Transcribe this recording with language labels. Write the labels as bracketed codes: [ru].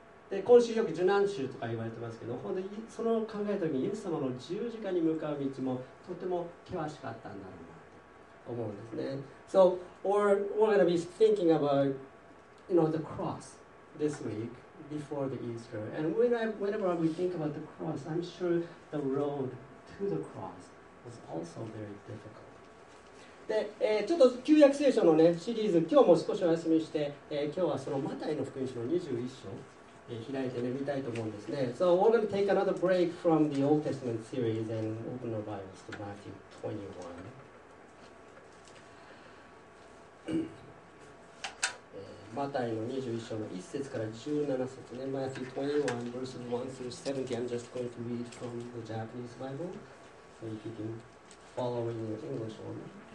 [ja] で、今週よく受難週とか言われてますけど、本当にその考えた時に、イエス様の十字架に向かう道もとても険しかったんだろうなと思うんですね。 [en] So, we're going to be thinking about you know, the cross this week before the Easter. And whenever we think about the cross, I'm sure the road to the cross was also very difficult. [ja] で、ちょっと旧約聖書の、ね、シリーズ、今日も少しお休みして、今日はそのマタイの福音書の21章、開いて、ね、見たいと思うんですね。 [en] So we're going to take another break from the Old Testament series and open our Bibles to Matthew 21. [ja] マタイの21章の1節から17節ね。 [en] Matthew 21, verses 1 through 17. I'm just going to read from the Japanese Bible. So you can follow in your English order.